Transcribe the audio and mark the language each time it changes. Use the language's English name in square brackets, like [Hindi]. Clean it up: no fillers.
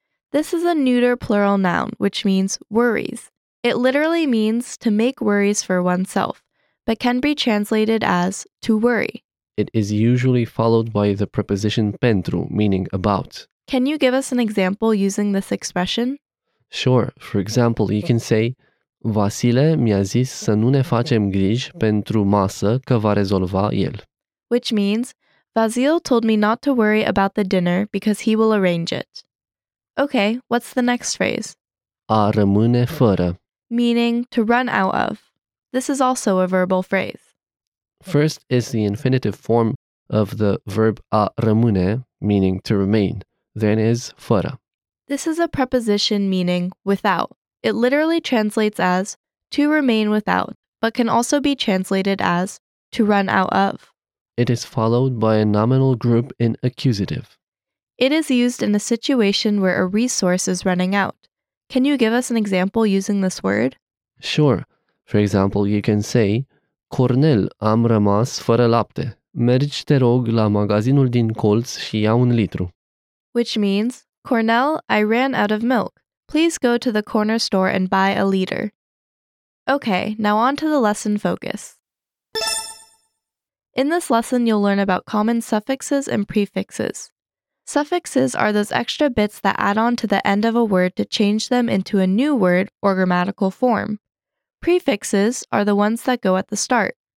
[English] This is a neuter plural noun, which means worries. It literally means to make worries for oneself, but can be translated as to worry. It is usually followed by the preposition pentru, meaning about. Can you give us an example using this expression? Sure. For example, you can say [Romanian] Vasile mi-a zis să nu ne facem griji pentru masă că va rezolva el. [English] Which means, Vasile told me not to worry about the dinner because he will arrange it. Okay, what's the next phrase? [Romanian] A rămâne fără. [English] Meaning to run out of. This is also a verbal phrase. First is the infinitive form of the verb a rămâne, meaning to remain. Then is fără. This is a preposition meaning without. It literally translates as to remain without, but can also be translated as to run out of. It is followed by a nominal group in accusative. It is used in a situation where a resource is running out. Can you give us an example using this word? Sure. For example, you can say [Romanian] Cornel, am rămas fără lapte. [English] Mergi, te rog, la magazinul din colț și ia un litru. Which means, Cornel, I ran out of milk. Please go to the corner store and buy a liter. Okay, now on to the lesson focus. In this lesson, you'll learn about common suffixes and prefixes. Suffixes are those extra bits that add on to the end of a word to change them into a new word or grammatical form. Prefixes are the ones that go at the start.